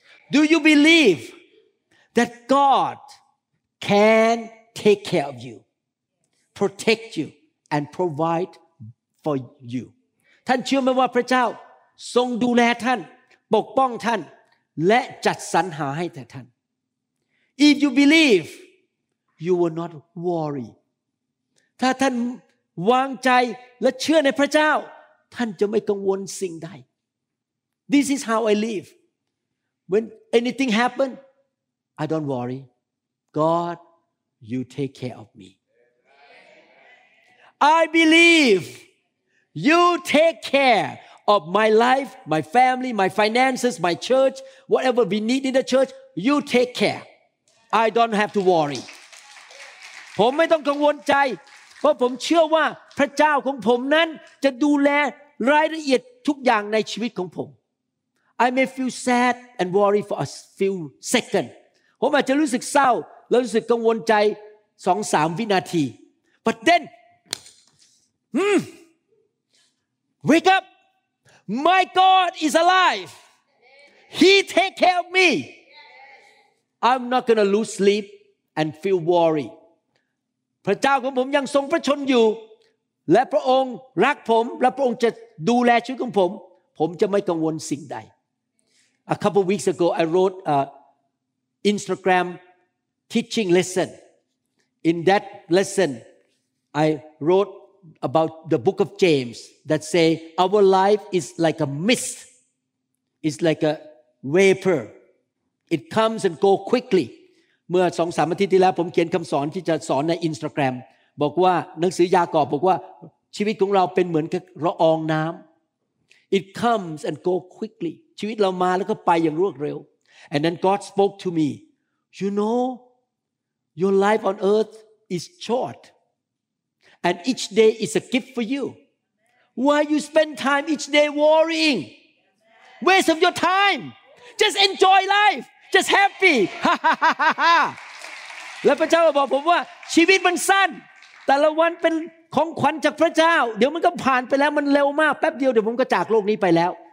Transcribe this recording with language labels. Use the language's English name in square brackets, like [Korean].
[English] Do you believe that God can take care of you, protect you, and provide for you? [Thai] ท่านเชื่อไหมว่าพระเจ้าทรงดูแลท่านปกป้องท่านและจัดสรรหาให้แต่ท่าน [English] If you believe, you will not worry. [Thai] ถ้าท่านวางใจและเชื่อในพระเจ้าท่านจะไม่กังวลสิ่งใด [English] This is how I live. When anything happens, I don't worry. God, you take care of me. I believe you take care of my life, my family, my finances, my church, whatever we need in the church, you take care. I don't have to worry. [Thai] ผมไม่ต้องกังวลใจเพราะผมเชื่อว่าพระเจ้าของผมนั้นจะดูแลรายละเอียดทุกอย่างในชีวิตของผม [English] I may feel sad and worry for a few seconds [Thai] ผมอาจจะรู้สึกเศร้าแล้วรู้สึกกังวลใจ 2-3 วินาที [English] But then Wake up My God is alive He take care of me I'm not gonna lose sleep and feel worry [Thai] พระเจ้าของผมยังทรงพระชนอยู่และพระองค์รักผมและพระองค์จะดูแลชีวิตของผมผมจะไม่กังวลสิ่งใด [English] A couple of weeks ago I wrote a Instagram teaching lesson In that lesson I wrote about the book of James that say our life is like a mist It's like a vapor It comes and go quickly [Thai] เมื่อ 2-3 อาทิตย์ที่แล้วผมเขียนคำสอนที่จะสอนใน Instagram บอกว่าหนังสือยากอบบอกว่าชีวิตของเราเป็นเหมือนละอองน้ำ [English] It comes and go quickly [Thai] ชีวิตเรามาแล้วก็ไปอย่างรวดเร็ว [English] And then God spoke to me You know your life on earth is short and each day is a gift for you Why you spend time each day worrying Waste of your time Just enjoy lifeJust happy. Ha ha ha ha. [Thai] และพระเจ้าบอกผมว่าชีวิตมันสั้นแต่ละวันเป็นของขวัญจากพระเจ้าเดี๋ยวมันก็ผ่านไปแล้วมันเร็วมากแป๊บเดียวเดี๋ยวผมก็จากโลกนี้ไปแล้ว